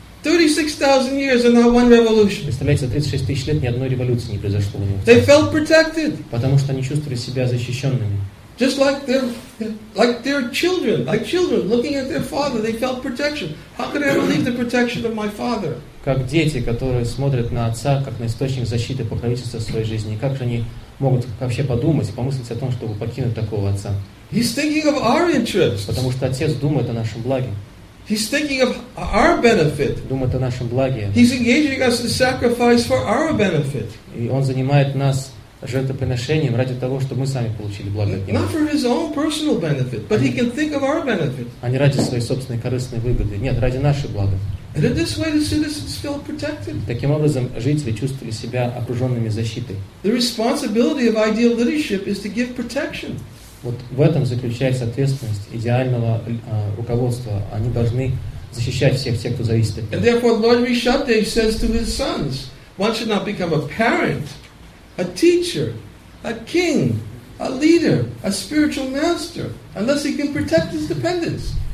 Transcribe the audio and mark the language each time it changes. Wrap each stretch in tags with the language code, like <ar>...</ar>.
<en>36,000 years and not one revolution.</en> <ru>Представляете, за 36,000 лет ни одной революции не произошло у него.</ru> <en>They felt protected.</en> <ru>Потому что они чувствовали себя защищенными.</ru> <en>Just like children, looking at their father, they felt protection. How could I ever leave the protection of my father?</en> <ru>Как дети, которые смотрят на отца как на источник защиты и покровительства в своей жизни, как же они могут вообще подумать и помыслить о том, чтобы покинуть такого отца.</ru> <en>He's thinking of our interests.</en> <ru>Потому что отец думает о нашем благе.</ru> <en>He's thinking of our benefit.</en> <ru>Думает о нашем благе.</ru> <en>He's engaging us in sacrifice for our benefit.</en> <ru>И он занимает нас жертвоприношением ради того, чтобы мы сами получили благо от него.</ru> <en>Not for his own personal benefit, but he can think of our benefit.</en> <ru>А не ради своей собственной корыстной выгоды. Нет, ради нашей блага.</ru> <en>And in this way, the citizens feel protected.</en> <ru>Таким образом, жители чувствовали себя окруженными защитой.</ru> <en>The responsibility of ideal leadership is to give protection.</en> <ru>Вот в этом заключается ответственность идеального руководства. Они должны защищать всех тех, кто зависит от них.</ru> <en>And therefore, Lord Rishabdev says to his sons, one should not become a parent, a teacher, a king, a leader, a spiritual master, unless he can protect his dependents.</en>